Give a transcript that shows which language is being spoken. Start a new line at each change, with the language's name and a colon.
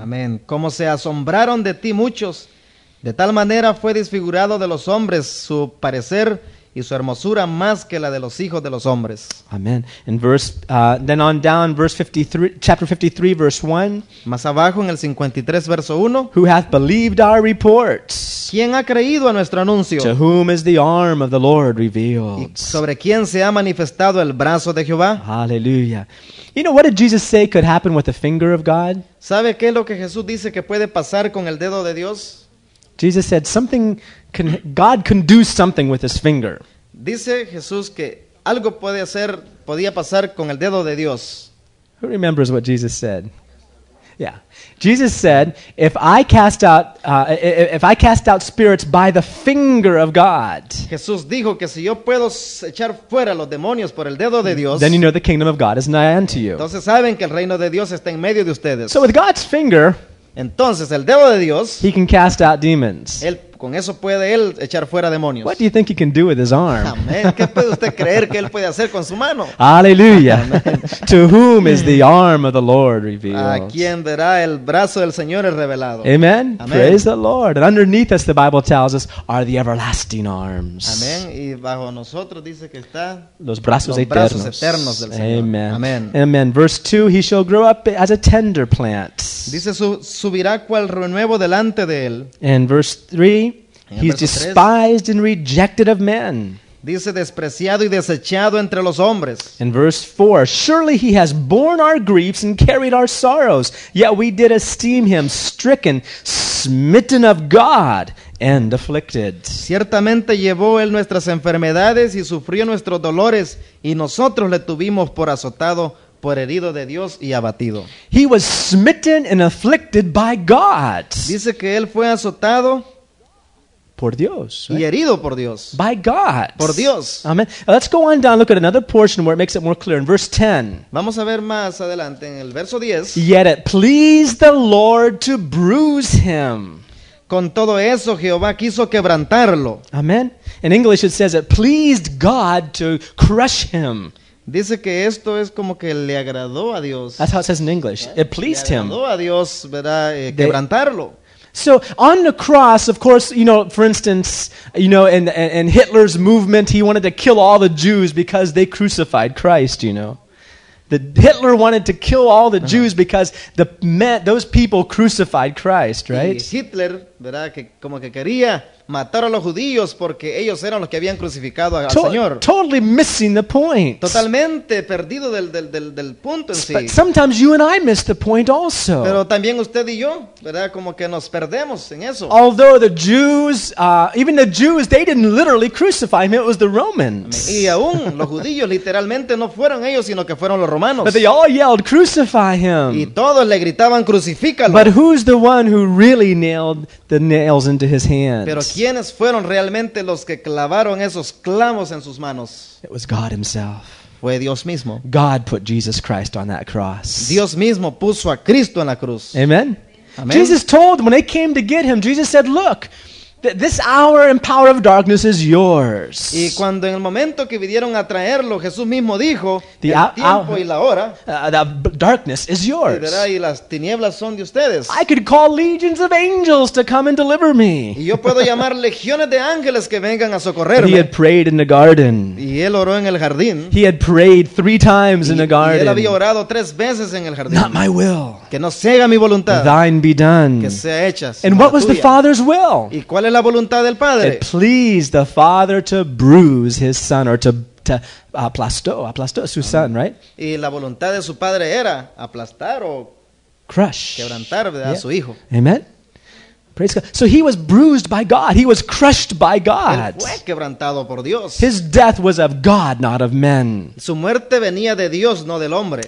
Spanish: Amén. Como se asombraron de ti muchos. De tal manera fue desfigurado de los hombres su parecer y su hermosura más que la de los hijos de los hombres.
English: Amen. In verse, then on down, verse 53, chapter 53, verse 1.
Spanish: Más abajo en el 53, verso 1.
English: Who hath believed our reports?
Spanish: ¿Quién ha creído a nuestro anuncio?
English: To whom is the arm of the Lord revealed?
Spanish: ¿Y sobre quién se ha manifestado el brazo de Jehová?
English: Hallelujah. You know, what did Jesus say could happen with the finger of God?
Spanish: ¿Sabe qué es lo que Jesús dice que puede pasar con el dedo de Dios?
English: Jesus said something can God can do something with his finger.
Spanish: Dice Jesús que algo puede hacer podía pasar con el dedo de Dios.
English: Who remembers what Jesus said? Yeah. Jesus said, if I cast out spirits by the finger of God.
Spanish: Jesús dijo que si yo puedo echar fuera los demonios por el dedo de Dios.
English: Then you know the kingdom of God is nigh unto you.
Spanish: Entonces saben que el reino de Dios está en medio de ustedes.
English: So with God's finger,
Spanish: entonces, el dedo de Dios,
English: he can cast out demons.
Spanish: Él, con eso puede él echar fuera demonios.
English: What do you think he can do with his arm? Amen.
Spanish: ¿Qué puede usted creer que él puede hacer con su mano?
English: Hallelujah. To whom is the arm of the Lord revealed?
Spanish: A quien verá el brazo del Señor es revelado.
English: Amen. Amen. Praise the Lord. And underneath us, the Bible tells us, are the everlasting arms. Amen.
Spanish: Y bajo nosotros dice que está los brazos eternos del Señor.
English: Amen. Amen. Amen. Verse 2, he shall grow up as a tender plant.
Spanish: Dice, subirá cual renuevo delante de él.
English: And verse 3, he's despised and rejected of men.
Spanish: Dice despreciado y desechado entre los hombres.
English: In verse 4, surely he has borne our griefs and carried our sorrows, yet we did esteem him stricken, smitten of God and afflicted.
Spanish: Ciertamente llevó él nuestras enfermedades y sufrió nuestros dolores, y nosotros le tuvimos por azotado, por herido de Dios y abatido.
English: He was smitten and afflicted by God.
Spanish: Dice que él fue azotado por Dios, right? Y herido por Dios.
English: By God.
Spanish: Por Dios.
English: Amen. Let's go on down, look at another portion where it makes it more clear. In verse 10.
Spanish: Vamos a ver más adelante en el verso 10.
English: Yet it pleased the Lord to bruise him.
Spanish: Con todo eso, Jehová quiso quebrantarlo.
English: Amen. In English it says it pleased God to crush him.
Spanish: Dice que esto es como que le agradó a Dios.
English: That's how it says in English. It pleased him.
Spanish: Le agradó a Dios, ¿verdad? Quebrantarlo.
English: So on the cross, of course, you know, for instance, you know, in Hitler's movement, he wanted to kill all the Jews because they crucified Christ, you know. Hitler wanted to kill all the Jews because those people crucified Christ, right?
Spanish: Y Hitler, ¿verdad? Que como que quería matar a los judíos porque ellos eran los que habían crucificado al Señor.
English: Totally missing the point.
Spanish: Totalmente perdido del punto en sí.
English: But sometimes you and I miss the point also.
Spanish: Pero también usted y yo, ¿verdad? Como que nos perdemos en eso.
English: Although the Jews, even the Jews, they didn't literally crucify him. It was the Romans.
Spanish: Y aún los judíos literalmente no fueron ellos, sino que fueron los romanos.
English: But they all yelled, "Crucify him."
Spanish: Y todos le gritaban, "Crucifícalo."
English: But who's the one who really nailed the nails into his hands?
Spanish: Pero ¿quiénes fueron realmente los que clavaron esos clavos en sus manos?
English: It was God himself.
Spanish: Fue Dios mismo.
English: God put Jesus Christ on that cross.
Spanish: Dios mismo puso a Cristo en la cruz.
English: Amen. Amen. Jesus told them, when they came to get him, Jesus said, "Look, this hour and power of darkness is yours."
Spanish: Y cuando en el momento que vinieron a traerlo, Jesús mismo dijo, "El tiempo y la hora,
English: the darkness is yours."
Spanish: Y las tinieblas son de ustedes.
English: I could call legions of angels to come and deliver me.
Spanish: Y yo puedo llamar legiones de ángeles que vengan a socorrerme.
English: He had prayed in the garden.
Spanish: Y él oró en el jardín.
English: He had prayed three times in the garden.
Spanish: Y él había orado tres veces en el jardín.
English: Not my will.
Spanish: Que no se haga mi voluntad.
English: Thine be done.
Spanish: Que sea hecha.
English: And what was the Father's will?
Spanish: ¿Y cuál es la voluntad del Padre?
English: It pleased the Father to bruise his son, or to
Spanish: aplastó su
English: son, right?
Spanish: Y la voluntad de su padre era aplastar o
English: crush,
Spanish: quebrantar, ¿verdad? Yeah. A su hijo.
English: Amen. Praise God. So he was bruised by God. He was crushed by God.
Spanish: Él fue quebrantado por Dios.
English: His death was of God, not of men.
Spanish: Su muerte venía de Dios, no del hombre.